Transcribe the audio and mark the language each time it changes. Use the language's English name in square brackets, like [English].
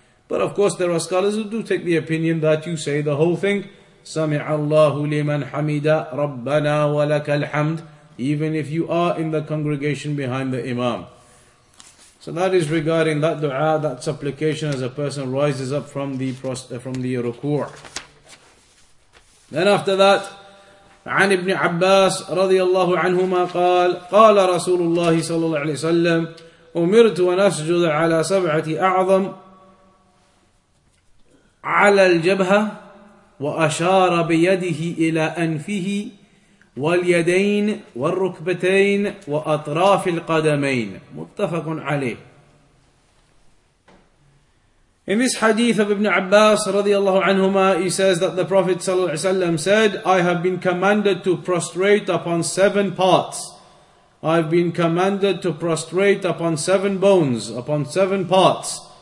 [English] But of course, there are scholars who do take the opinion that you say the whole thing, [Arabic] سَمِعَ اللَّهُ لِمَنْ حَمِدَ رَبَّنَا وَلَكَ الْحَمْدِ, [English] even if you are in the congregation behind the imam. So that is regarding that dua, that supplication, as a person rises up from the ruku'. Then after that, [Arabic] عن ابن عباس رضي الله عنهما قال قال رسول الله صلى الله عليه وسلم أمرت أن أسجد على سبعة أعظم على الجبهة وأشار بيده إلى أنفه واليدين والركبتين وأطراف القدمين متفق عليه. [English] In this hadith of Ibn Abbas radiallahu anhuma, he says that the Prophet sallallahu alayhi wa sallam said, I have been commanded to prostrate upon seven parts. I've been commanded to prostrate upon seven bones, upon seven parts.